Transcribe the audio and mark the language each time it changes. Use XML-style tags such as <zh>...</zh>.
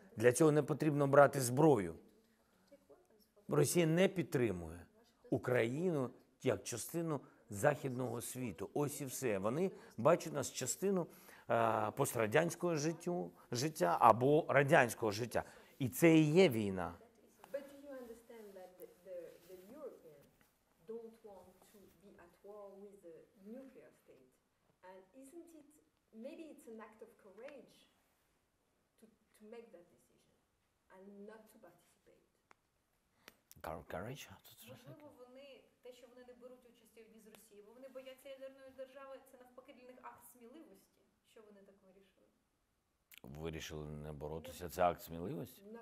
<uk>Для цього не потрібно брати зброю. Росія не підтримує Україну як частину Західного світу. Ось і все. Вони бачать нас частину пострадянського життя або радянського життя. І це і є війна.</uk> <en>But do you understand that the Europeans don't want to be at war with the nuclear state And isn't it, maybe it's an act of courage to make that decision and not to participate. Courage?</en> <uk>Можливо, вони, те, що вони не беруть участь у війні з Росією, бо вони бояться ядерної держави, це навпаки для них акт сміливості. Що вони так вирішили? Вирішили не боротися, це акт сміливості?</uk>